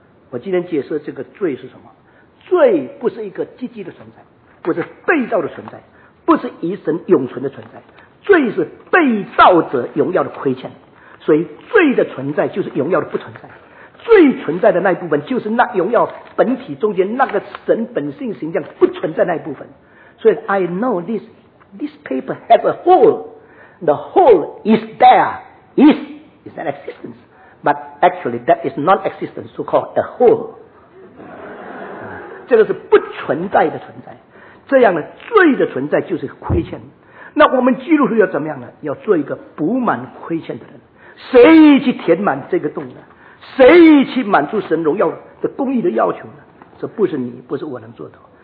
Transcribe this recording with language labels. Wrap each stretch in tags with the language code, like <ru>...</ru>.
<zh>我今天解释这个罪是什么？罪不是一个积极的存在，不是被造的存在，不是与神永存的存在。罪是被造者荣耀的亏欠，所以罪的存在就是荣耀的不存在。罪存在的那一部分就是那荣耀本体中间那个神本性形象不存在那一部分。所以</zh> <en>I know this paper has a hole. The hole is there. Is an existence. But actually that is non-existence, so called a hole.</en> <zh>这个是不存在的存在。这样的罪的存在就是亏欠。那我们基督徒要怎么样呢？要做一个补满亏欠的人。谁去填满这个洞呢？谁去满足神荣耀的公义的要求呢？这不是你，不是我能做的。</zh>